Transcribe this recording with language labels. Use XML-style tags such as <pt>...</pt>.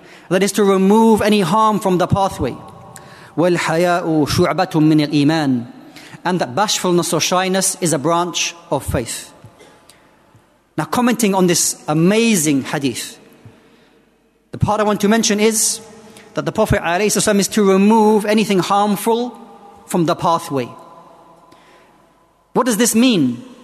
<en>That is to remove any harm from the pathway.</en> <ar>والحياء شعبة من الإيمان.</ar> <en>And that bashfulness or shyness is a branch of faith. Now, commenting on this amazing hadith, the part I want to mention is that the Prophet alayhi salam is to remove anything harmful from the pathway. What does this mean?</en>